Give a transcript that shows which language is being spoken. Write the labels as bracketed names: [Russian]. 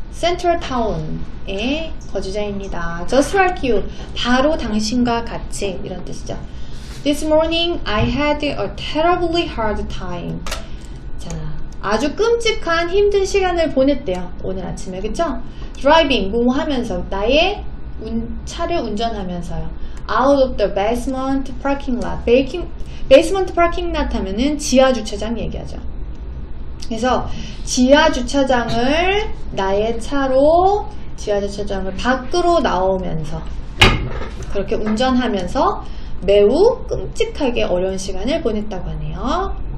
[Korean] Central Town에 거주자입니다. [English] Just like you. [Korean] 바로 당신과 같이. 이런 뜻이죠. [English] This morning I had a terribly hard time. [Korean] 자, 아주 끔찍한 힘든 시간을 보냈대요. 오늘 아침에. 그쵸? Driving. 뭐 하면서. 나의 차를 운전하면서요. [English] Out of the basement parking lot. [Korean] Basement parking lot 하면은 지하 주차장 얘기하죠. 그래서 지하 주차장을 나의 차로 지하 주차장을 밖으로 나오면서 그렇게 운전하면서 매우 끔찍하게 어려운 시간을 보냈다고 하네요.